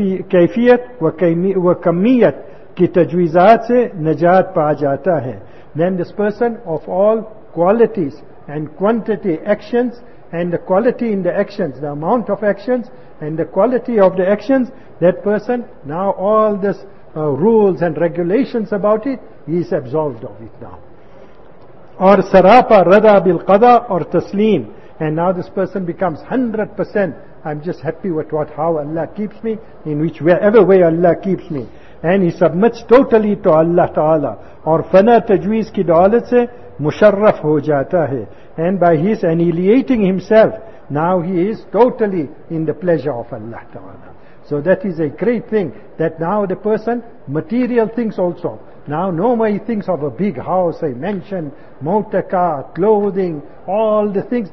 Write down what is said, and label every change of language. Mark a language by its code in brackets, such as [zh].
[ur] کیفیت و کمیت کی تجویزات سے نجات پا جاتا ہے. [en] Then this person of all qualities and quantity actions, and the quality in the actions, the amount of actions and the quality of the actions, that person, now all this rules and regulations about it, he is absolved of it now. [ur] اور سراپا رضا بالقضاء اور تسلیم. [en] And now this person becomes 100%, I'm just happy with what, how Allah keeps me, in whichever way Allah keeps me. And he submits totally to Allah Ta'ala. [ur] اور فنا تجویز کی دولت سے مشرف ہو جاتا ہے. [en] And by his annihilating himself, now he is totally in the pleasure of Allah Ta'ala. So that is a great thing, that now the person, material things also, now nobody thinks of a big house, a mansion, motor car, clothing, all the things.